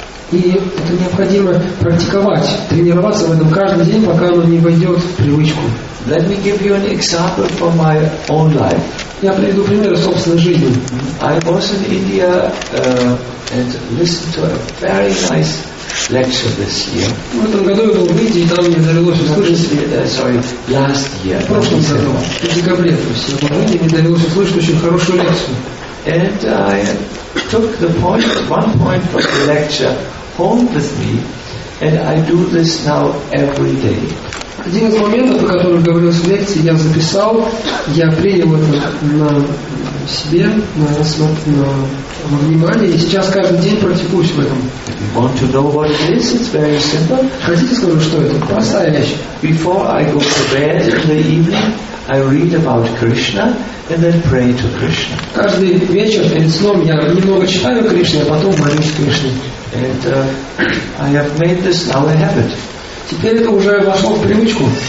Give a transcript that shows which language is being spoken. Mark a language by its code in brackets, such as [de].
[ru] И это необходимо практиковать, тренироваться в этом каждый день, пока оно не войдет в привычку. [en] Let me give you an example from my own life. [ru] Я приведу пример из собственной жизни. [en] I was in India and listened to a very nice lecture this year. [ru] В этом году я был в Индии, там мне довелось услышать. [en] Last year. [ru] В прошлом году. В декабре, то есть я был в Индии, мне довелось услышать очень хорошую лекцию. [en] And I took the point, one point from the lecture, home with me, and I do this now every day. [ru] Один из моментов, о котором говорилось в лекции, я записал, я принял это на себе, на внимание, и сейчас каждый день практикуюсь в этом. [en] Want to know what it is? It's very simple. [ru] Хотите скажу, что это? Простая вещь. [en] Before I go to bed in the evening, I read about Krishna and then pray to Krishna. [ru] Каждый вечер перед сном я немного читаю Кришне, а потом молюсь Кришне. [en] And I have made this now a habit. [ru] Теперь это уже вошло в привычку.